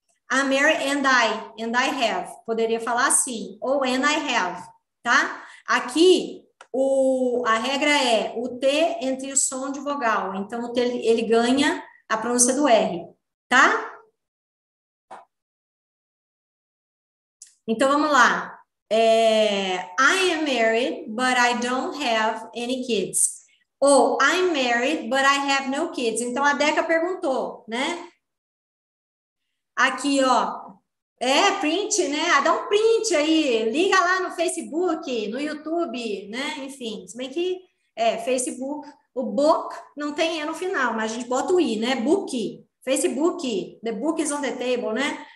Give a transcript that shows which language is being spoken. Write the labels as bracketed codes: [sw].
[en] I'm married and I have. [pt] Poderia falar assim, ou [en] and I have, tá? [pt] Aqui, a regra é o T entre o som de vogal. Então, o T, ele ganha a pronúncia do R, tá? Então vamos lá. [en] I am married, but I don't have any kids. Ou I'm married, but I have no kids. [pt] Então a Deca perguntou, né? Aqui, ó. É, print, né? Dá um print aí. Liga lá no Facebook, no YouTube, né? Enfim, se bem que é Facebook. O book não tem E no final, mas a gente bota o I, né? [en] Book, Facebook, the book is on the table, né?